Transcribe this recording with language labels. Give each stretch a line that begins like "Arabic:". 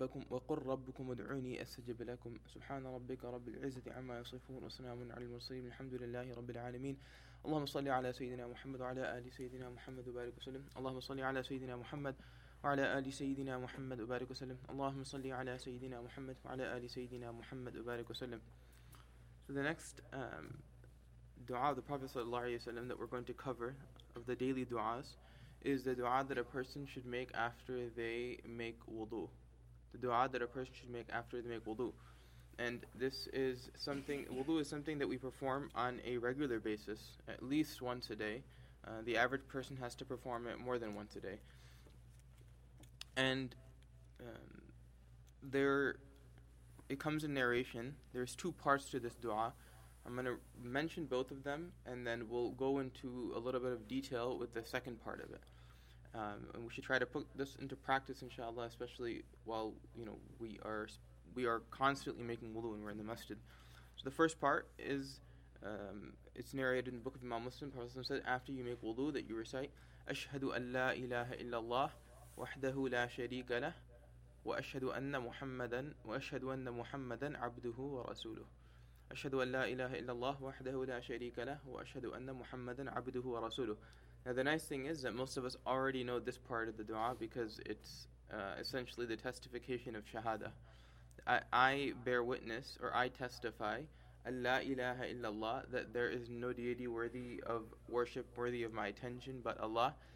Arabic: وقل ربكم ادعوني أستجب لكم. سبحان ربك رب العزة عما يصفون، وسلام على المرسلين، الحمد لله رب العالمين. اللهم صل على سيدنا محمد وعلى آل سيدنا محمد وبارك وسلم. اللهم صل على سيدنا محمد وعلى آل سيدنا محمد وبارك وسلم. اللهم صل على سيدنا محمد وعلى آل سيدنا محمد وبارك وسلم.
English: So the next dua of the Prophet sallallahu alaihi wasallam that we're going to cover of the daily duas is the dua that a person should make after they make wudu. The dua that a person should make after they make wudu. And this is something, wudu is something that we perform on a regular basis, at least once a day. The average person has to perform it more than once a day. And it comes in narration. There's two parts to this dua. I'm going to mention both of them, and then we'll go into a little bit of detail with the second part of it. And we should try to put this into practice, inshallah, especially while we are constantly making wudu when we're in the masjid. So the first part is it's narrated in the book of Imam Muslim. Prophet ﷺ said, after you make wudu, that you recite,
Arabic: "Ashhadu an la ilaha illallah." وحده لا شريك له وأشهد أن محمدا عبده ورسوله أشهد أن لا إله إلا الله وحده لا شريك له وأشهد أن محمدا عبده ورسوله.
English: Now the nice thing is that most of us already know this part of the dua because it's essentially the testification of shahada. I bear witness, or I testify,
Arabic: أن لا إله إلا الله,
English: that there is no deity worthy of worship, worthy of my attention, but Allah.